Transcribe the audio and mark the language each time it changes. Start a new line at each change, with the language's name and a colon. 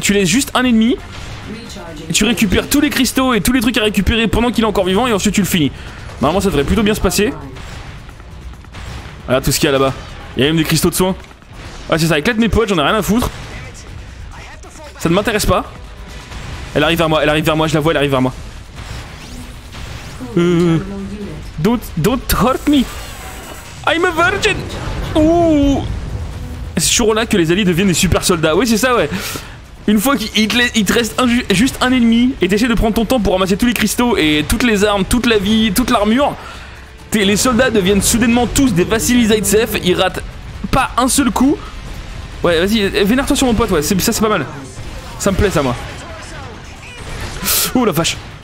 French: Tu laisses juste un ennemi, tu récupères tous les cristaux et tous les trucs à récupérer pendant qu'il est encore vivant, et ensuite tu le finis. Normalement, ça devrait plutôt bien se passer. Regarde tout ce qu'il y a là-bas. Il y a même des cristaux de soins. Ouais, c'est ça, éclate mes potes, j'en ai rien à foutre. Ça ne m'intéresse pas. Elle arrive vers moi, je la vois, elle arrive vers moi.
English: Don't hurt me. I'm a virgin. Ouh.
French: C'est toujours là que les alliés deviennent des super soldats. Oui, c'est ça, ouais. Une fois qu'il te reste juste un ennemi et t'essaies de prendre ton temps pour ramasser tous les cristaux et toutes les armes, toute la vie, toute l'armure, les soldats deviennent soudainement tous des Vassili Zaitsev. Ils ratent pas un seul coup. Ouais, vas-y, vénère-toi sur mon pote, ouais. Ça, c'est pas mal. Ça me plaît, ça, moi. Oh la vache.